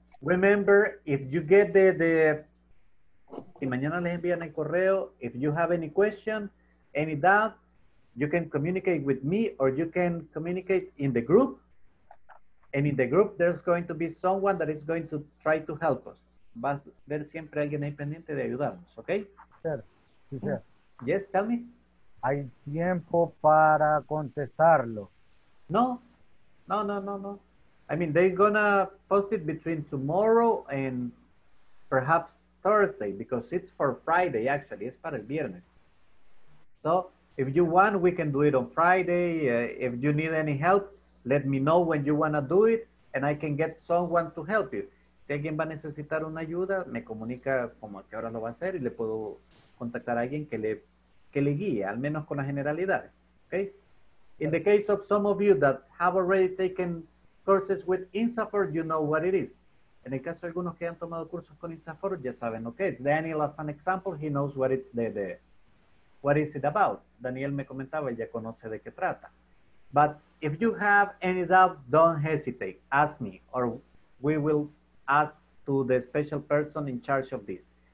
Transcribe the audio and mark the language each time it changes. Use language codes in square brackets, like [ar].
[en] Remember, if you get the [es] si mañana les envían el correo, [en] if you have any question, any doubt, you can communicate with me or you can communicate in the group. And in the group, there's going to be someone that is going to try to help us. [es] Vas a ver siempre alguien ahí pendiente de ayudarnos, ¿ok? [en] Sir. Yes, tell me. [es] ¿Hay tiempo para contestarlo? No. [en] I mean, they're gonna post it between tomorrow and perhaps Thursday, because it's for Friday, actually. [es] Es para el viernes. [en] So, if you want, we can do it on Friday. If you need any help, let me know when you want to do it, and I can get someone to help you. [es] Si alguien va a necesitar una ayuda, me comunica como que ahora lo va a hacer y le puedo contactar a alguien que le guíe, al menos con las generalidades, okay? [en] In the case of some of you that have already taken courses with INSAFOR, you know what it is. [es] En el caso de algunos que han tomado cursos con INSAFOR, ya saben, [en] okay, it's Daniel as an example, he knows what it's what is it about. [es] Daniel me comentaba, ya conoce de qué trata. [en] But if you have any doubt, don't hesitate. Ask me, or we will ask to the special person in charge of this.